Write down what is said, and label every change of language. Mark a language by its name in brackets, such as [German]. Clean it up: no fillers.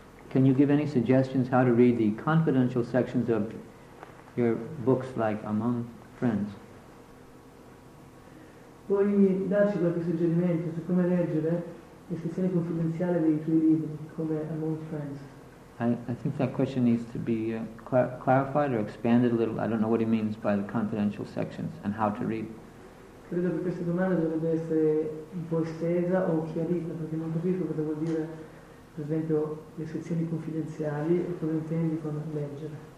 [English] Can you give any suggestions how to read the confidential sections of your books like Among Friends? [Italian] Puoi darci qualche suggerimento su come leggere le sezioni confidenziali dei tuoi libri, come Among Friends? [English] I think that question needs to be clarified or expanded a little. I don't know what he means by the confidential sections and how to read. [Italian] Credo che questa domanda dovrebbe essere un po' estesa o chiarita, perché non capisco cosa vuol dire, per esempio, le sezioni confidenziali e cosa intendi con leggere.